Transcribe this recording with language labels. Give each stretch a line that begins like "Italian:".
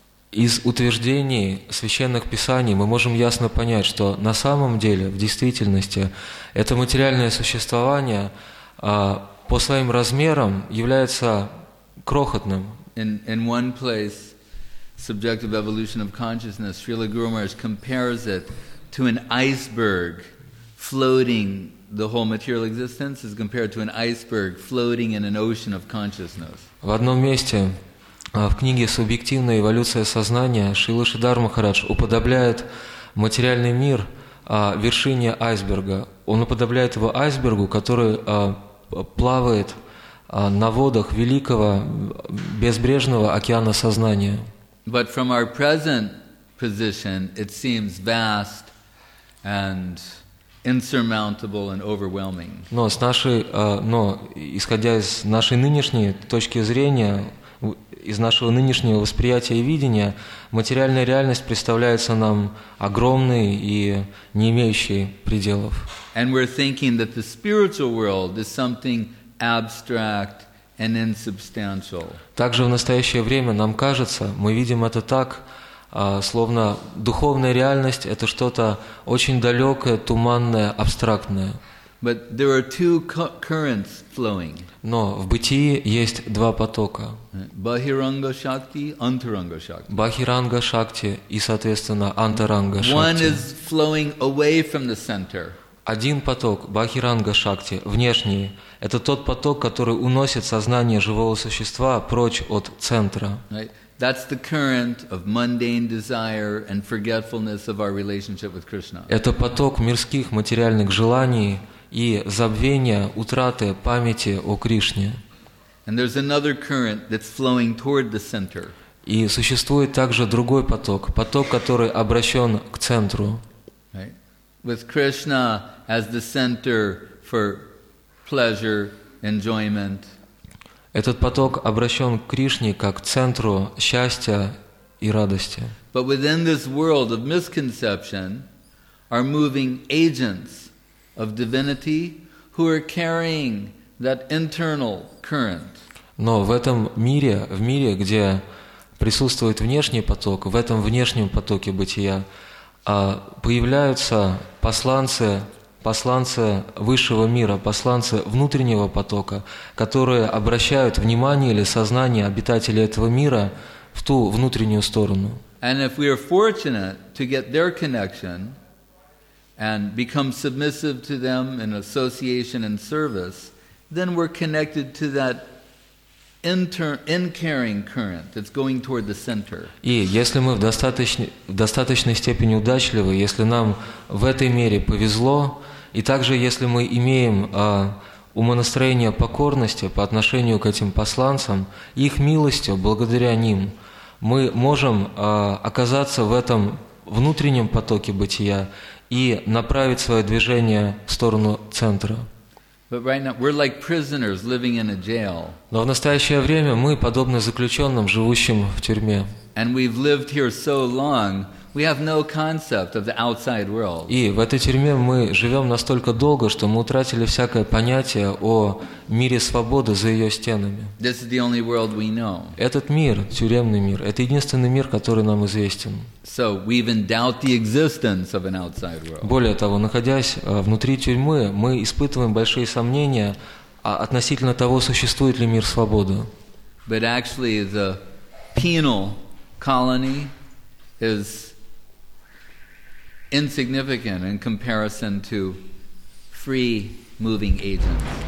Russian: Из утверждений священных писаний мы можем ясно понять, что на самом деле, в действительности, это материальное существование по своим размерам является крохотным.
English: In one place, Subjective Evolution of Consciousness, Srila Guru Maharaj compares it to an iceberg floating. The whole material existence is compared to an iceberg floating in an ocean of consciousness.
Russian: В одном месте в книге «Субъективная эволюция сознания» Шрила Шридхар Махарадж уподобляет материальный мир вершине айсберга. Он уподобляет его айсбергу, который плавает на водах великого безбрежного океана сознания.
English: But from our present position, it seems vast and insurmountable and overwhelming.
Russian: Но с нашей, но исходя из нашей нынешней точки зрения, из нашего нынешнего восприятия и видения, материальная реальность представляется нам огромной и не имеющей пределов.
English: And we're thinking that the spiritual world is something abstract and insubstantial.
Russian: Также в настоящее время нам кажется, мы видим это так, словно духовная реальность – это что-то очень далекое, туманное, абстрактное.
English: But there are two currents flowing.
Russian: Но в бытии есть два потока.
Sanskrit: Bahiranga Shakti, Antaranga Shakti.
Russian: Bahiranga Shakti и, соответственно, Antaranga Shakti.
English: One is flowing away from the center.
Russian: Один поток, Bahiranga Shakti, внешний, это тот поток, который уносит сознание живого существа прочь от центра.
English: Right. That's the current of mundane desire and forgetfulness of our relationship with Krishna.
Russian: Это поток мирских материальных желаний и забвения, утраты памяти о Кришне.
English: And there's another current that's flowing toward the center.
Russian: И существует также другой поток, поток, который обращен к центру.
English: Right. With Krishna as the center for pleasure, enjoyment.
Russian: Этот поток обращен к Кришне как к центру счастья и радости.
English: But within this world of misconception are moving agents of divinity who are carrying that internal current.
Russian: Но в этом мире, в мире, где присутствует внешний поток, в этом внешнем потоке бытия, появляются посланцы. Посланцы высшего мира, посланцы внутреннего потока, которые обращают внимание или сознание обитателей этого мира в ту внутреннюю сторону.
English: And if we are fortunate to get their connection and become submissive to them in association and service, then we're connected to that in-carrying current that's going toward the center.
Russian: И если мы в достаточной степени удачливы, если нам в этой мере повезло, и также, если мы имеем умонастроение покорности по отношению к этим посланцам, их милостью, благодаря ним, мы можем оказаться в этом внутреннем потоке бытия и направить свое движение в сторону центра.
English: But right now, we're like prisoners living in a jail.
Russian: Но в настоящее время мы подобны заключенным, живущим в тюрьме.
English: And we've lived here so long, we have no concept of the outside world.
Russian: И в этой тюрьме мы живем настолько долго, что мы утратили всякое понятие о мире свободы за ее стенами.
English: This is the only world we know.
Russian: Этот мир, тюремный мир, это единственный мир, который нам известен.
English: So we even doubt the existence of an outside world.
Russian: Более того, находясь внутри тюрьмы, мы испытываем большие сомнения относительно того, существует ли мир свободы.
English: But actually, the penal colony is insignificant in comparison to free moving agents.